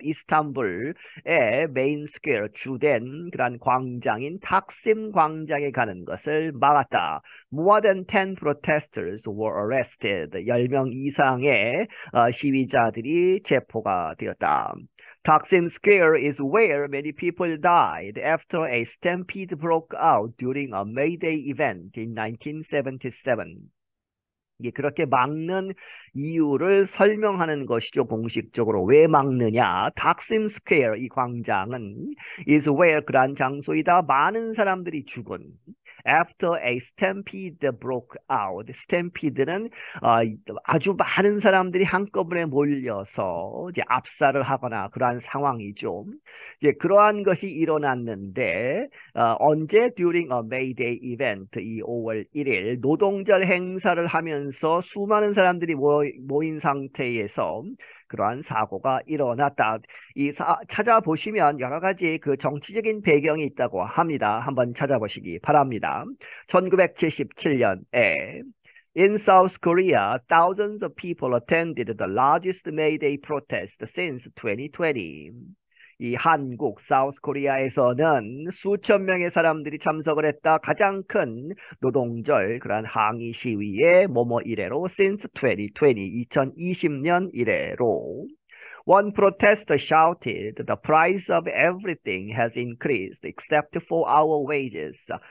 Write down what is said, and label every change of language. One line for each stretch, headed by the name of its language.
Korean: 이스탄불의 메인 스퀘어 주된 그런 광장인 탁심 광장에 가는 것을 막았다.
English: More than 10 protesters were arrested.
Korean: 10명 이상의 시위자들이 체포가 되었다.
English: Taksim Square is where many people died after a stampede broke out during a May Day event in 1977.
Korean: 이게 그렇게 막는 이유를 설명하는 것이죠. 공식적으로 왜 막느냐? Taksim Square 이 광장은
English: is where
Korean: 그런 장소이다. 많은 사람들이 죽은.
English: After a stampede broke out,
Korean: stampede는 아주 많은 사람들이 한꺼번에 몰려서 이제 압살을 하거나 그러한 상황이죠. 이제 그러한 것이 일어났는데 언제?
English: During a May Day event,
Korean: 이 5월 1일 노동절 행사를 하면서 수많은 사람들이 모인 상태에서. 그러한 사고가 일어났다. 찾아보시면 여러 가지 그 정치적인 배경이 있다고 합니다. 한번 찾아보시기 바랍니다. 1977년에
English: In South Korea, thousands of people attended the largest May Day protest since 2020.
Korean: 이 한국, South Korea에서는 수천 명의 사람들이 참석을 했다. 가장 큰 노동절, 그러한 항의 시위에 뭐뭐 이래로,
English: since 2020,
Korean: 2020년 이래로.
English: One protester shouted, "The price of everything has increased except for our wages."